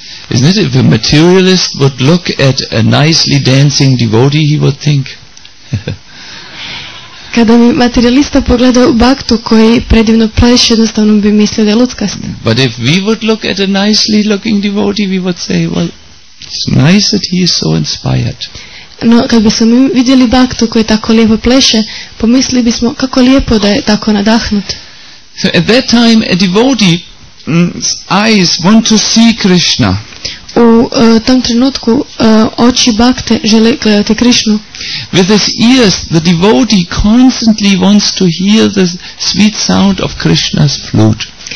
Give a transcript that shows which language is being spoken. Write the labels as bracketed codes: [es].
[en] Isn't it, if a materialist would look at a nicely dancing devotee he would think [hr] kada bi materialista pogledao baktu koji predivno plaši, jednostavno bi mislio da je luckast. [en] But if we would look at a nicely looking devotee we would say, well, it's nice that he is so inspired. [hr] No, kad bismo mi vidjeli baktu koji tako lijepo pleše, pomislili bismo kako lijepo da je tako nadahnut. [en] So at that time a devotee's eyes want to see Krishna. [hr] U tom trenutku oči bakte žele gledati Krishnu. [en] With his ears the devotee constantly wants to hear the sweet sound of Krishna's flute.